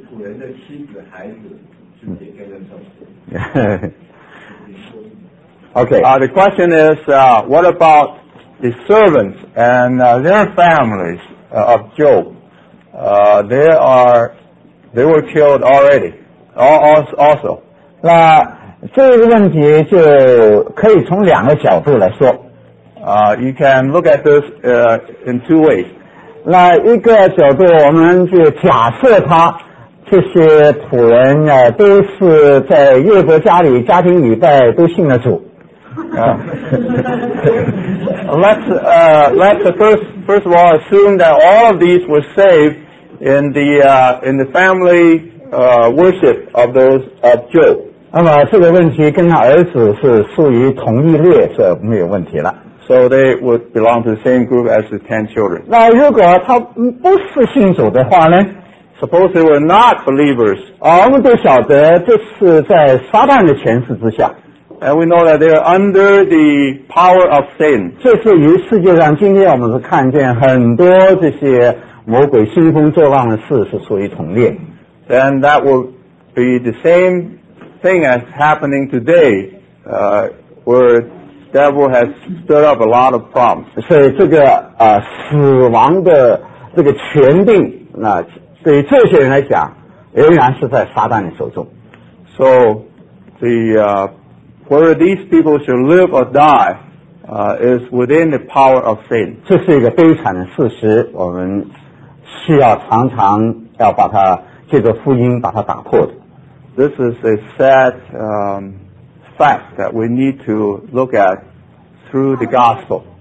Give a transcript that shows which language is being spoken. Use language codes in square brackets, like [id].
[zh] 仆人的妻子孩子是解决的首先。 [en] Okay. The question is, what about the servants and their families of Job? They were killed already. Also. [zh] 那这个问题就可以从两个角度来说。 [en] You can look at this in two ways. [zh] 那一个角度我们就假设他这些仆人都是在约伯家里家庭礼拜都信了主。 [en] let's first of all assume that all of these were saved in the family worship of those of Job. [zh] 那么这个问题跟他儿子是属于同一列，是没有问题了。 [en] So they would belong to the same group as the 10 children. [zh] 那如果他不是信主的话呢？ [en] Suppose they were not believers. [zh] 我们都晓得这是在撒旦的权势之下。 [en] And we know that they are under the power of sin. [zh] 这是于世界上今天我们是看见很多这些魔鬼兴风作浪的事是属于同列。 [en] Then that will be the same thing as happening today, where devil has stirred up a lot of problems. [zh] 所以这个死亡的这个权柄那。对这些人来讲仍然是在撒旦的手中。 [en] So, whether these people should live or die, is within the power of sin. [zh] 这是一个悲惨的事实，我们需要常常要把它借着福音把它打破的。 [en] This is a sad, fact that we need to look at through the gospel.